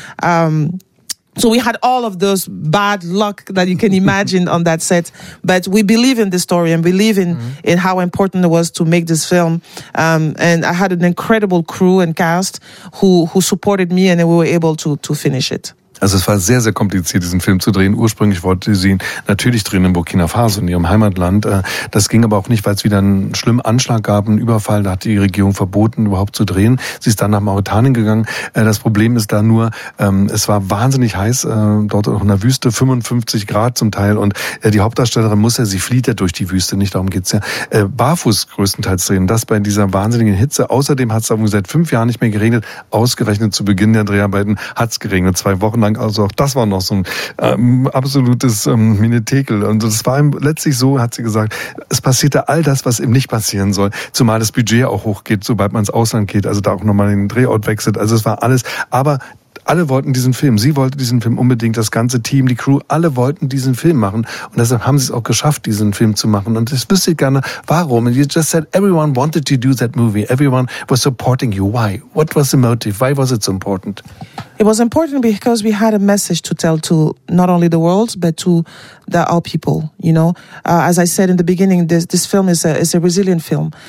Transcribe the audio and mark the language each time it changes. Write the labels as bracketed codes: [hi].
[en] So we had all of those bad luck that you can imagine on that set. But we believe in the story and believe in how important it was to make this film. And I had an incredible crew and cast who supported me, and we were able to finish it. [de] Also es war sehr, sehr kompliziert, diesen Film zu drehen. Ursprünglich wollte sie ihn natürlich drehen in Burkina Faso, in ihrem Heimatland. Das ging aber auch nicht, weil es wieder einen schlimmen Anschlag gab, einen Überfall. Da hat die Regierung verboten, überhaupt zu drehen. Sie ist dann nach Mauretanien gegangen. Das Problem ist da nur, es war wahnsinnig heiß, dort auch in der Wüste, 55 Grad zum Teil. Und die Hauptdarstellerin muss ja, sie flieht ja durch die Wüste, nicht darum geht's ja, barfuß größtenteils drehen. Das bei dieser wahnsinnigen Hitze. Außerdem hat es seit 5 Jahren nicht mehr geregnet. Ausgerechnet zu Beginn der Dreharbeiten hat es geregnet. 2 Wochen. Also auch das war noch so ein absolutes Minitekel. Und das war letztlich so, hat sie gesagt, es passierte all das, was eben nicht passieren soll. Zumal das Budget auch hochgeht, sobald man ins Ausland geht. Also da auch nochmal den Drehort wechselt. Also es war alles. Aber alle wollten diesen Film. Sie wollte diesen Film unbedingt, das ganze Team, die Crew, alle wollten diesen Film machen. Und deshalb haben sie es auch geschafft, diesen Film zu machen. Und ich wüsste gerne, warum. [en] And you just said, everyone wanted to do that movie. Everyone was supporting you. Why? What was the motive? Why was it so important? It was important because we had a message to tell to not only the world, but to the, our people, you know. As I said in the beginning, this film is a resilient film.